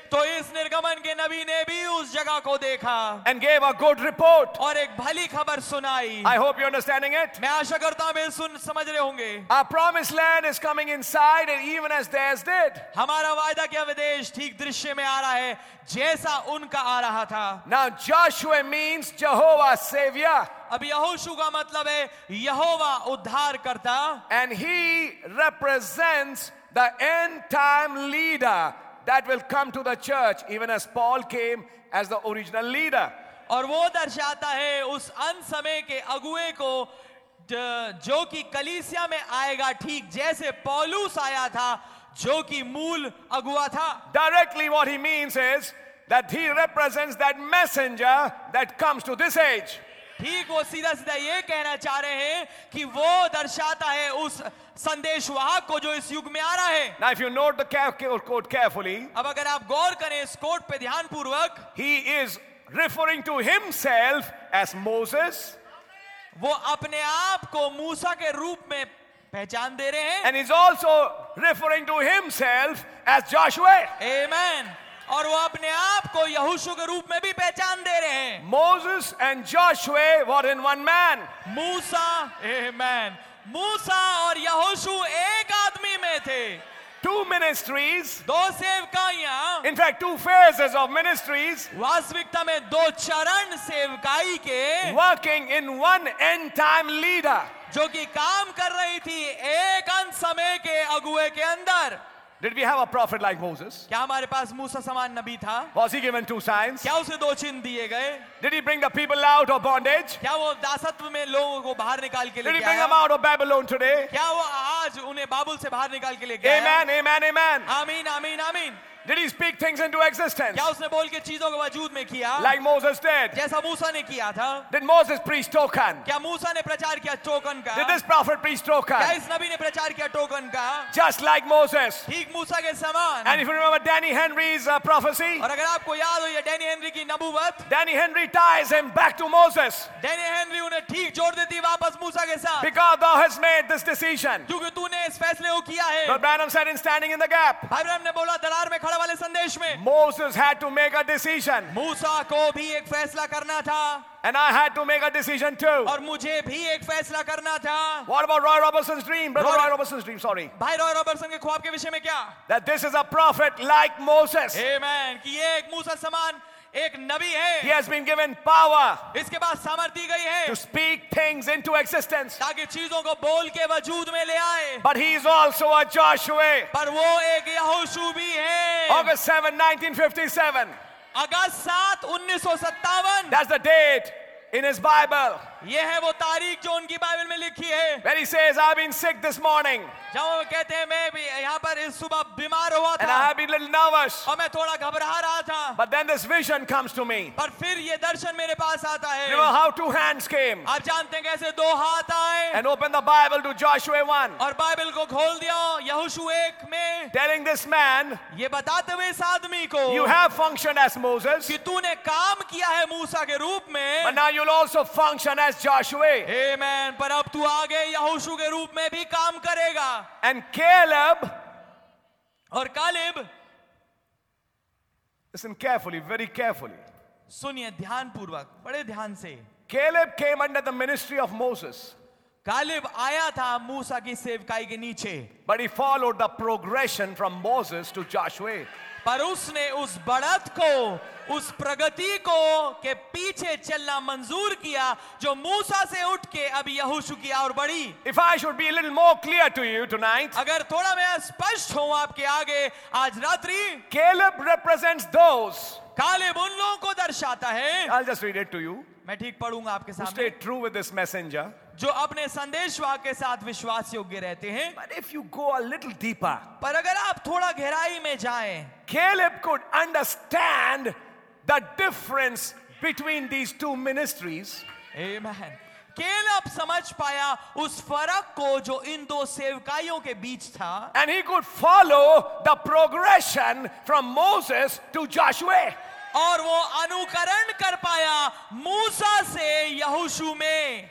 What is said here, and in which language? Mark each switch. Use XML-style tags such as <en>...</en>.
<hi>तो इस निर्गमन के नबी ने भी उस जगह को देखा.</hi> <en>And gave a good report.</en> <hi>और एक भली खबर सुनाई.</hi> <en>I hope you're understanding it.</en> <hi>मैं आशा करता हूँ आप सुन समझ रहे होंगे.</hi> <en>Our promised land is coming inside, even as theirs did.</en> <hi>हमारा वायदा किया हुआ देश ठीक दृश्य में आ रहा है जैसा उनका आ रहा था.</hi> <en>Now Joshua means Jehovah Savior.</en> <hi>अब यहोशू का मतलब है यहोवा उद्धार करता.</hi> <en>And he represents the end time leader. That will come to the church, even as Paul came as the original leader.</en> <hi>और वो दर्शाता है उस अंत समय के अगुए को जो कि कलीसिया में आएगा ठीक जैसे पौलुस आया था जो कि मूल अगुआ था.</hi> <en>Directly, what he means is that he represents that messenger that comes to this age.</en> <hi>ठीक वो सीधा सीधा ये कहना चाह रहे हैं कि वो दर्शाता है उस संदेश वाहक को जो इस युग में आ रहा है.</hi> <en>Now if you note the quote carefully,</en> <hi>अब अगर आप गौर करें इस कोट पे ध्यान पूर्वक,</hi> <en>he is referring to himself as Moses.</en> <hi>वो अपने आप को मूसा के रूप में पहचान दे रहे हैं.</hi> <en>And he's also referring to himself as Joshua. Amen.</en> <hi>और वो अपने आप को यहोशू के रूप में भी पहचान दे रहे हैं.</hi> <en>Moses and Joshua were in one man.</en> <hi>Musa, amen. मूसा और यहोशू एक आदमी में थे.</hi> <en>Two ministries.</en> <hi>दो सेवकाइयां.</hi> <en>In fact, two phases of ministries.</en> <hi>वास्तविकता में दो चरण सेवकाई के.</hi> <en>Working in one end time leader.</en> <hi>जो कि काम कर रही थी एक अंत समय के अगुए के अंदर.</hi> <en>Did we have a prophet like Moses?</en> <hi>क्या हमारे पास मूसा समान नबी था?</hi> <en>Was he given two signs?</en> <hi>क्या उसे दो चिन्ह दिए गए?</hi> <en>Did he bring the people out of bondage?</en> <hi>क्या वो दासत्व में लोगों को बाहर निकाल के ले</hi> <en>गया? Did he bring them out of Babylon today?</en> <hi>क्या वो आज उन्हें बाबुल से बाहर निकाल के ले</hi> <en>गया? Amen, amen, amen.</en> <hi>आमीन, आमीन, आमीन.</hi> <en>Did he speak things into existence?</en> <hi>क्या उसने बोल के चीजों को वजूद में किया?</hi> <en>Like Moses did.</en> <hi>जैसा मूसा ने किया था.</hi> <en>Did Moses preach token?</en> <hi>क्या मूसा ने प्रचार किया टोकन का?</hi> <en>Did this prophet preach token?</en> <hi>क्या इस नबी ने प्रचार किया टोकन का?</hi> <en>Just like Moses.</en> <hi>ठीक मूसा के समान.</hi> <en>And if you remember Danny Henry's prophecy.</en> <hi>और अगर आपको याद हो ये डैनी हेनरी की नबूवत.</hi> <en>Danny Henry ties him back to Moses.</en> <hi>Danny Henry उन्हें ठीक जोड़ देती वापस मूसा के साथ.</hi> <en>Because thou hast made this decision.</en> <hi>क्योंकि तूने इस फैसले को किया है.</hi> <en>But Branham said in standing in the gap.</en> <hi>Abraham ने बोला दरार में वाले संदेश में.</hi> <en>Moses had to make a decision.</en> <hi>मूसा को भी एक फैसला करना था.</hi> <en>And I had to make a decision too.</en> <hi>और मुझे भी एक फैसला करना था.</hi> <en>What about Roy Robertson's dream? Brother Roy Robertson's dream, sorry.</en> <hi>भाई रॉय रॉबर्टसन के ख्वाब के विषय में क्या?</hi> <en>That this is a prophet like Moses. Amen.</en> <hi>कि ये एक मूसा समान एक नबी है.</hi> <en>He has been given power.</en> <hi>इसके पास सामर्थ्य गई है.</hi> <en>To speak things into existence.</en> <hi>ताकि चीजों को बोल के वजूद में ले आए.</hi> <en>But he is also a Joshua.</en> <hi>पर वो एक यहोशू भी है.</hi> <en>August 7, 1957.</en> <hi>August 7, 1957.</hi> <en>That's the date in his Bible.</en> <hi>यह है वो तारीख जो उनकी बाइबल में लिखी है.</hi> <en>When he says, I've been sick this morning.</en> <hi>जब वो कहते हैं मैं भी यहाँ पर इस सुबह बीमार हुआ था.</hi> <en>And I've been a little nervous.</en> <hi>और मैं थोड़ा घबरा रहा था.</hi> <en>But then this vision comes to me.</en> <hi>पर फिर ये दर्शन मेरे पास आता है.</hi> <en>You know how two hands came.</en> <hi>आप जानते हैं कैसे दो हाथ आए.</hi> <en>And opened the Bible to Joshua 1.</en> <hi>और बाइबल को खोल दिया यहोशू 1 में.</hi> <en>Telling this man.</en> <hi>ये बताते हुए इस आदमी को.</hi> <en>You have functioned as Moses.</en> <hi>कि तूने काम किया है मूसा के रूप में.</hi> <en>But now you'll also function as Joshua. Amen.</en> <hi>पर अब तू आगे यहोशू के रूप में भी काम करेगा.</hi> <en>And Caleb.</en> <hi>और Caleb.</hi> <en>Listen carefully, very carefully.</en> <hi>सुनिए ध्यान पूर्वक, बड़े ध्यान से.</hi> <en>Caleb came under the ministry of Moses.</en> <hi>Caleb आया था मूसा की सेवकाई के नीचे.</hi> <en>But he followed the progression from Moses to Joshua.</en> <hi>पर उसने उस बढ़त को, उस प्रगति को के पीछे चलना मंजूर किया जो मूसा से उठ के अभी यहोशू की और बढ़ी.</hi> <en>If I should be a little more clear to you tonight,</en> <hi>अगर थोड़ा मैं स्पष्ट हूं आपके आगे आज रात्रि.</hi> <en>Caleb represents those.</en> <hi>कालेब उन लोगों को दर्शाता है.</hi> <en>I'll just read it to you.</en> <hi>मैं ठीक पढ़ूंगा आपके सामने.</hi> <en>Stay true with this messenger.</en> <hi>जो अपने संदेशवाह के साथ विश्वास योग्य रहते हैं.</hi> <en>But if you go a little deeper,</en> <hi>पर अगर आप थोड़ा गहराई में जाएं,</hi> <en>Caleb could understand the difference between these two ministries. Amen.</en> <hi>Caleb समझ पाया उस फर्क को जो इन दो सेवकाइयों के बीच था.</hi> <en>And he could follow the progression from Moses to Joshua.</en> <hi>और वो अनुकरण कर पाया मूसा से यहोशू में.</hi>